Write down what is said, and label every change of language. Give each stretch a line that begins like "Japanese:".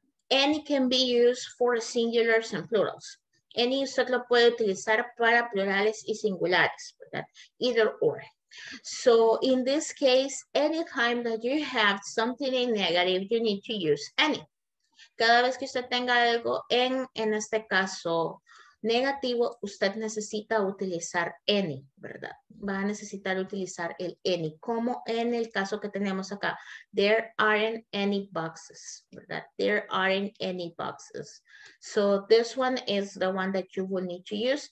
English: Any can be used for singulars and plurals.
Spanish: Any usted lo puede utilizar para plurales y singulares, ¿verdad?
English: Either or. So in this case, anytime that you have something in negative, you need to use any.
Spanish: Cada vez que usted tenga algo en este caso negativo, usted necesita utilizar any, ¿verdad? Va a necesitar utilizar el any, como en el caso que tenemos acá.
English: There aren't any boxes,
Spanish: ¿verdad?
English: There aren't any boxes. So this one is the one that you will need to use.